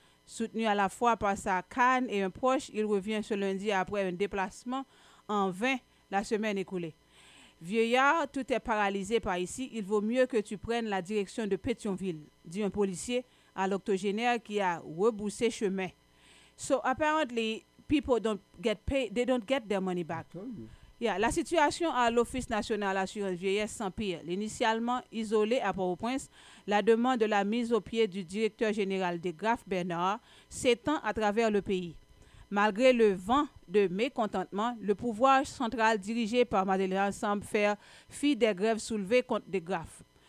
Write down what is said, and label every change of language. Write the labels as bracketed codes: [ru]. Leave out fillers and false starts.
[fr] Soutenu à la fois par sa canne et un proche, il revient ce lundi après un déplacement en vain la semaine écoulée. Vieillard, tout est paralysé par ici, il vaut mieux que tu prennes la direction de Pétionville, dit un policier à l'octogénaire qui a rebroussé chemin. [en] So apparently, people don't get paid, they don't get their money back. [fr] Yeah, la situation à l'Office national d'assurance vieillesse s'empire. Initialement isolé à Port-au-Prince, la demande de la mise au pied du directeur général des Graff Bernard s'étend à travers le pays. Malgré le vent de mécontentement, le pouvoir central dirigé par Madeleine semble faire fi des grèves soulevées contre des Graff.